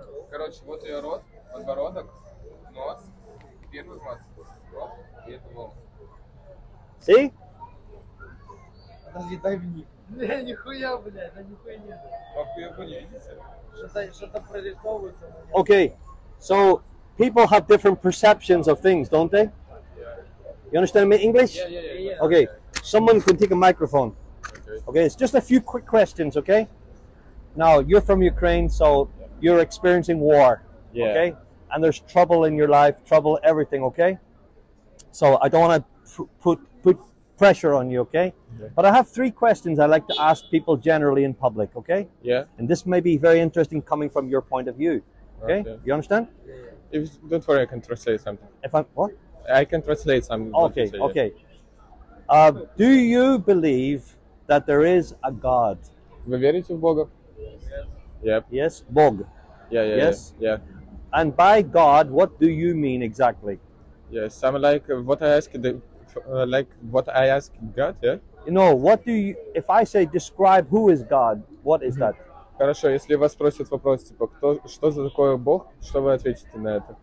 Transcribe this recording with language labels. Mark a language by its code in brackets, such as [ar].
[ru] Короче, вот ее рот, подбородок, нос, первый глаз, рот, и это волосы. [en] See? [ru] Подожди, дай мне. Не, нихуя, блядь, да нихуя нет. Похуя, блядь, видите? Что-то прорисовывается. [en] Okay, so people have different perceptions of things, don't they? Yeah. You understand me, English? Yeah. Okay, someone can take a microphone. Okay, it's just a few quick questions, okay? Now, you're from Ukraine, so you're experiencing war, okay? And there's trouble in your life, trouble everything, okay? So I don't want to put pressure on you, okay? But I have three questions I like to ask people generally in public, okay? Yeah. And this may be very interesting coming from your point of view, okay? You understand? If, don't worry, I can translate something. If I'm, what? I can translate something. Okay, okay. Do you believe that there is a God? [ru] Вы верите в Бога? [en] Yep. Yes, Бог. Yes. Yeah. And by God, what do you mean exactly? Yes, I'm like what I ask the, like what I ask God. Yeah. You know, what do you? If I say describe who is God, what is that? [ru] Хорошо, если вас спросят вопрос типа кто, что за такое Бог, что вы ответите на это?